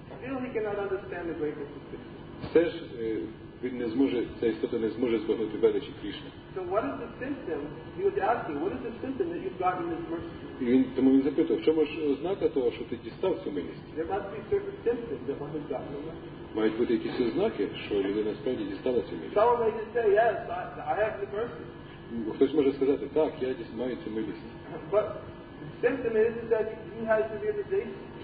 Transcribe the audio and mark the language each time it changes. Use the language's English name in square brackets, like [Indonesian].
[English] Still he cannot understand the greatness of Krishna. [Ukrainian] Все ж він не зможе, ця істота не зможе збагнути величі Кришни. [English] So what is the symptom? He was asking, what is the symptom that you've gotten this mercy? [Ukrainian] Тому він запитав, в чому ж ознака того, що ти дістав цю милість? [English] There must be certain symptoms that one has gotten the mercy. [Ukrainian] Мають бути якісь ознаки, що людина справді дістала цю милість. [English] Someone may just say, yes, I have the mercy. [Ukrainian] Хтось може сказати, так, я маю цю милість. [English] But the symptom is that he has the realization.